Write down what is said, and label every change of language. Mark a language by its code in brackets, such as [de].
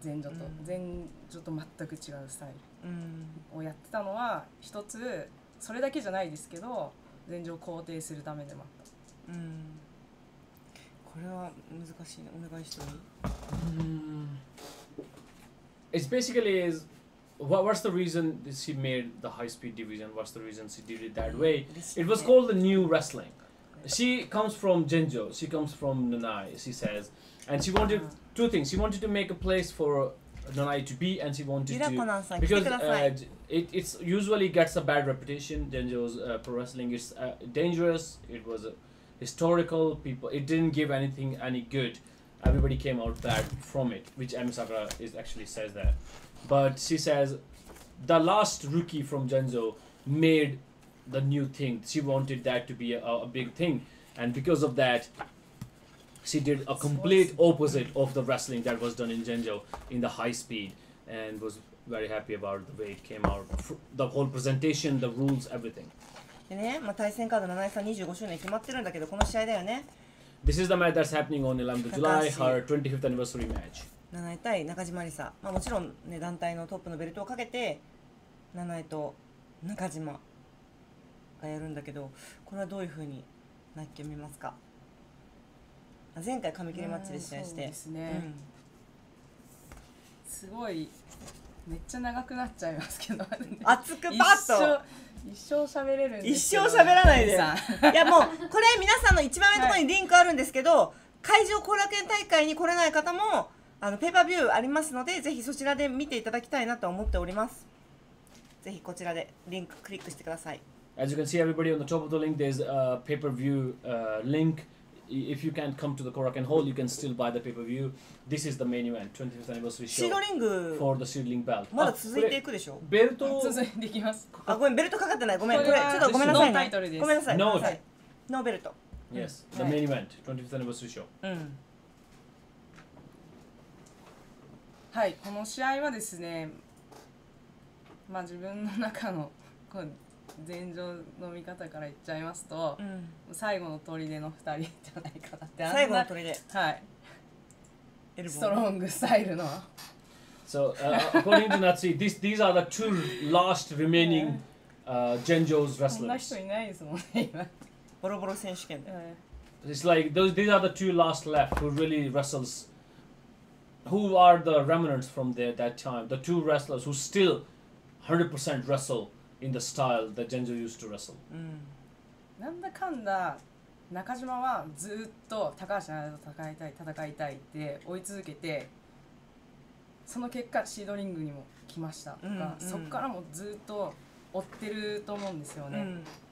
[ja] 前場と、うん、前場と全く違うスタイルをやってたのは一つ、それだけじゃないですけど前場を肯定するためでもあった、うん。これは難しいね。お願いしてもいい？ [en] It's basically is what's the reason that she made the high speed division? What's the reason she did it that way? It was called the new wrestling. She comes from Genjo. She comes from Nanai. She says, and she wanted two things. She wanted to make a place for Nanai to be, and she wanted to because it's usually gets a bad reputation. Genjo's pro wrestling is dangerous. It was historical people, it didn't give anything any good. Everybody came out bad from it, which Emi Sakura is actually says that. But she says the last rookie from Genzo made the new thing. She wanted that to be a big thing, and because of that, she did a complete opposite of the wrestling that was done in Genzo in the high speed, and was very happy about the way it came out. The whole presentation, the rules, everything. [ja] でね、まあ、対戦カード七井さん25周年決まってるんだけど、この試合だよね。 [en] This is the match that's happening on 11th July, her 25th anniversary match. [ja] 七井対中島梨沙。まあ、もちろん、ね、団体のトップのベルトをかけて、七井と中島がやるんだけど、これはどういうふうになっけ見ますか。前回、髪切りマッチで試合して。そうですね。うん、すごい。めっちゃ長くなっちゃいますけど熱くパッと一生喋れるんですけど、一生喋らないでいやもうこれ皆さんの一番上のところにリンクあるんですけど、はい、会場後楽園大会に来れない方もあのペーパービューありますのでぜひそちらで見ていただきたいなと思っております。ぜひこちらでリンククリックしてください。 [en] As you can see everybody on the top of the link there's a pay-per-view linkIf you can't come to the Korakuen Hall, you can still buy the pay-per-view. This is the main event, 25th anniversary show. [ja] シードリング。 [en] For the seedling belt. [ja] まだ続いていくでしょ。ベルト。続いていきます。あ、ごめん、ベルトかかってない。ごめん、これちょっとごめんなさいね。ノータイトルです。ごめんなさい。ノータイトル。ノーベルト。 [en] Yes, the main event, 25th anniversary show. [ja] うん。はい、この試合はですね、まあ自分の中のこう前場の見方から言っちゃいますと、うん、最後の砦の2人じゃないかなって。最後の砦、はい、エルボーストロングスタイルの。 [en] So, according to Natsui, these are the two last remaining Genjo's wrestlers. [ja] こんな人いないですもんね、今。ボロボロ選手権で。 [en] It's like, these are the two last left who really wrestles. Who are the remnants from there that time? The two wrestlers who still 100% wrestle. In the style that Genzo used to wrestle. [ja] なんだかんだ中島はずっと高橋七重と戦いたいって追い続けて、その結果シードリングにも来ましたとか、うんうん、そっからもずっと追ってると思うんですよね、うん、